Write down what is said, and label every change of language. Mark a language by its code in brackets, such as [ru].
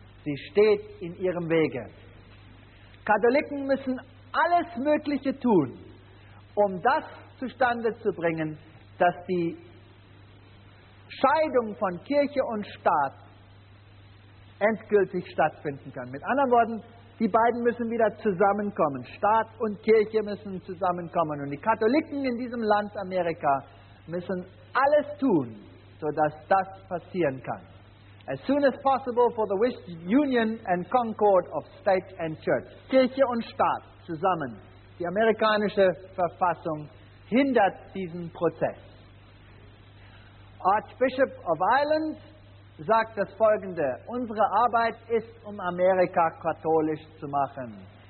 [de] Sie steht in ihrem Wege. Katholiken müssen alles Mögliche tun, das zustande zu bringen, dass die Scheidung von Kirche und Staat endgültig stattfinden kann. Mit anderen Worten, die beiden müssen wieder zusammenkommen. Staat und Kirche müssen zusammenkommen. Und die Katholiken in diesem Land Amerika müssen alles tun, sodass das passieren kann. [en] As soon as possible for the wished union and concord of state and church. [de] Kirche und Staat zusammen. Die amerikanische Verfassung hindert diesen Prozess. Archbishop of Ireland sagt das Folgende: Unsere Arbeit ist, Amerika katholisch zu machen.